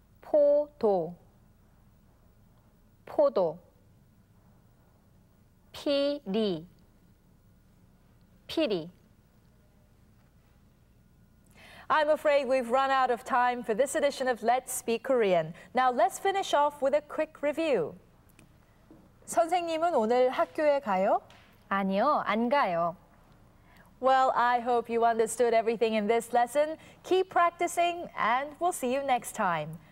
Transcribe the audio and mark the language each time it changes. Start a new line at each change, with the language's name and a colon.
Korean: 포도, 포도, 피리, 피리.
English: I'm afraid we've run out of time for this edition of Let's Speak Korean. Now let's finish off with a quick review.
Korean: 선생님은 오늘 학교에 가요? 아니요, 안 가요.
English: Well, I hope you understood everything in this lesson. Keep practicing and we'll see you next time.